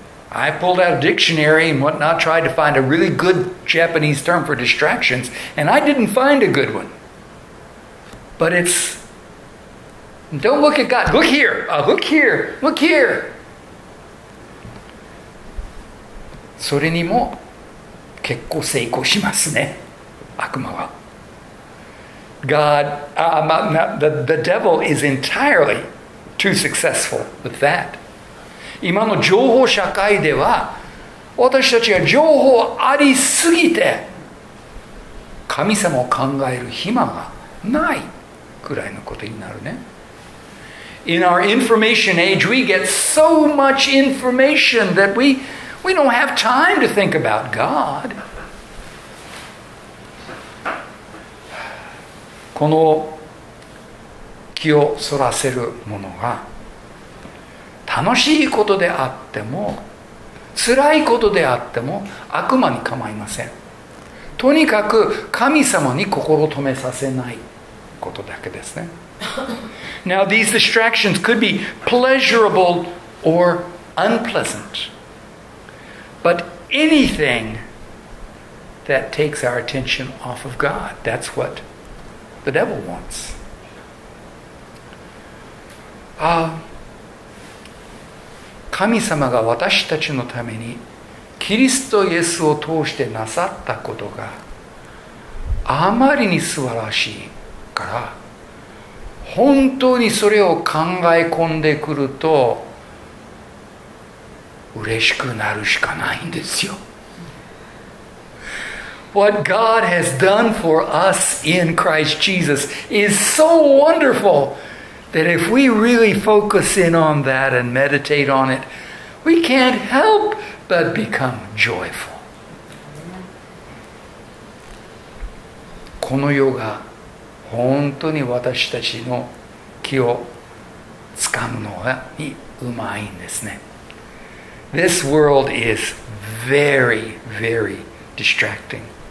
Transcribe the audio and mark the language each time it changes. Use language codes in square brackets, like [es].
[en] I pulled out a dictionary and whatnot, tried to find a really good Japanese term for distractions, and I didn't find a good one. But it's, don't look at God, look here, look here, look here. [ja] それにも結構成功しますね、悪魔は。 [en] God, the devil is entirely too successful with that. [ja] 今の情報社会では私たちが情報ありすぎて神様を考える暇がないくらいのことになるね。 [en] In our information age we get so much information that we don't have time to think about God. [ja] この気をそらせるものが楽しいことであっても辛いことであっても悪魔に構いません。とにかく神様に心を止めさせないことだけですね。 [en] Now these distractions could be pleasurable or unpleasant, but anything that takes our attention off of God, that's what the devil wants. Ah. [ja] 神様が私たちのためにキリストイエスを通してなさったことがあまりに素晴らしいから本当にそれを考え込んでくると嬉しくなるしかないんですよ。 [en] What God has done for us in Christ Jesus is so wonderfulThat if we really focus in on that and meditate on it, we can't help but become joyful. [ja] この世が本当に私たちの気をつかむのにうまいんですね。 [en] This world is very, very distracting.